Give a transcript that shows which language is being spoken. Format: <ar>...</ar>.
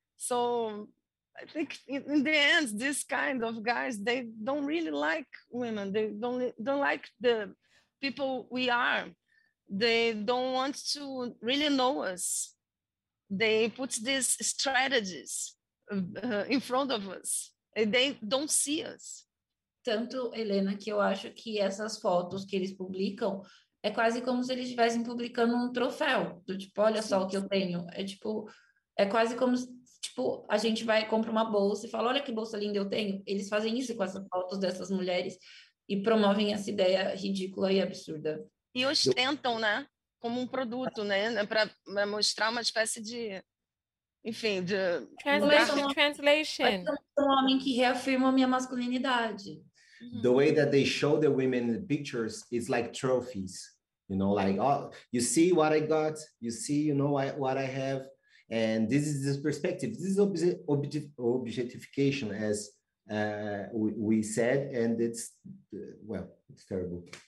<en>So I think in the end, this kind of guys, they don't really like women. They don't like the people we are. They don't want to really know us. They put these strategies in front of us. They don't see us.</en> <pt>Tanto, Helena, que eu acho que essas fotos que eles publicam é quase como se eles estivessem publicando um troféu. Do tipo, olha só o que eu tenho. É quase como se a gente vai comprar uma bolsa e fala, olha que bolsa linda eu tenho. Eles fazem isso com essas fotos dessas mulheres e promovem essa ideia ridícula e absurda. E ostentam, né, como um produto, né, para mostrar uma espécie de, enfim, de...</pt> <en>Translation.</en> <pt>Um homem que reafirma a minha masculinidade.</pt> <en>The way that they show the women in the pictures is like trophies, you know, like, oh, you see what I got, you see, you know, what I have, and this is this perspective, this is objectification, as we said, and it's, well, it's terrible.</en>